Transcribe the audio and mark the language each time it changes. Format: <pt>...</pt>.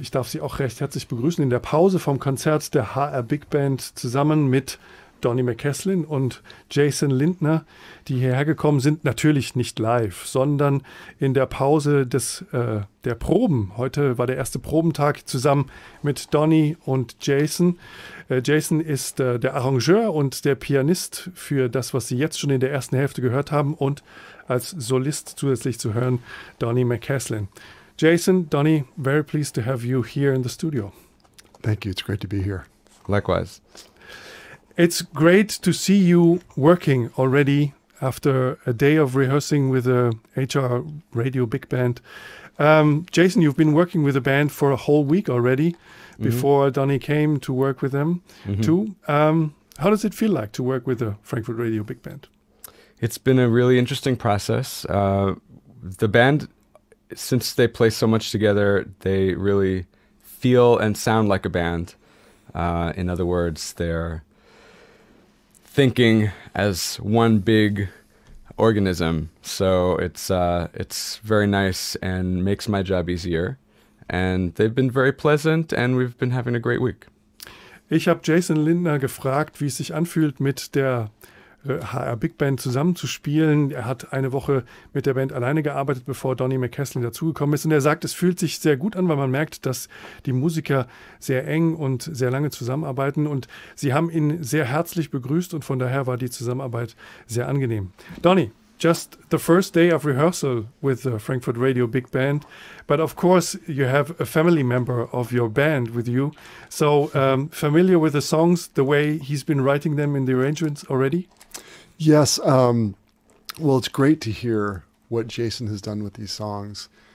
<de>Ich darf Sie auch recht herzlich begrüßen in der Pause vom Konzert der HR Big Band zusammen mit Donny McCaslin und Jason Lindner, die hierher gekommen sind, natürlich nicht live, sondern in der Pause der Proben. Heute war der erste Probentag zusammen mit Donny und Jason. Jason ist der Arrangeur und der Pianist für das, was Sie jetzt schon in der ersten Hälfte gehört haben und als Solist zusätzlich zu hören, Donny McCaslin.</de> <en>Jason, Donny, very pleased to have you here in the studio. Thank you. It's great to be here. Likewise. It's great to see you working already after a day of rehearsing with the HR Radio Big Band. Jason, you've been working with the band for a whole week already before Donny came to work with them too. How does it feel like to work with the Frankfurt Radio Big Band? It's been a really interesting process. The band, since they play so much together, they really feel and sound like a band. In other words, they're thinking as one big organism. So it's very nice and makes my job easier. And they've been very pleasant and we've been having a great week.</en> <de>Ich habe Jason Lindner gefragt, wie es sich anfühlt, mit der HR Big Band zusammenzuspielen. Er hat eine Woche mit der Band alleine gearbeitet, bevor Donny McCaslin dazugekommen ist. Und er sagt, es fühlt sich sehr gut an, weil man merkt, dass die Musiker sehr eng und sehr lange zusammenarbeiten. Und sie haben ihn sehr herzlich begrüßt und von daher war die Zusammenarbeit sehr angenehm.</de> <en>Donny, just the first day of rehearsal with the Frankfurt Radio Big Band. But of course, you have a family member of your band with you. So familiar with the songs, the way he's been writing them in the arrangements already? Yes. Well, it's great to hear what Jason has done with these songs.</en>